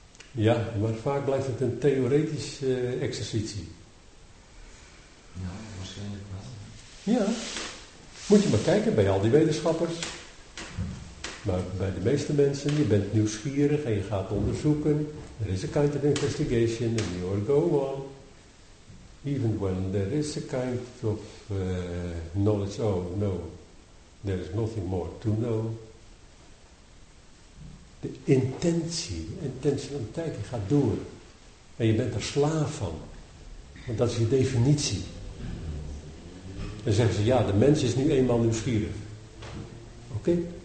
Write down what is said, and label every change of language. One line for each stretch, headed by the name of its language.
Dutch: Ja, maar vaak blijft het een theoretische exercitie. Ja, waarschijnlijk wel. Ja, Moet je maar kijken bij al die wetenschappers. Maar bij de meeste mensen, je bent nieuwsgierig en je gaat onderzoeken.
English: There is a kind of investigation and you will go on. Even when there is a kind of knowledge, oh no, there is nothing more to know.
Dutch: De intentie, om te kijken, je gaat door. En je bent er slaaf van. Want dat is je definitie. Dan zeggen ze, ja, de mens is nu eenmaal nieuwsgierig. Oké?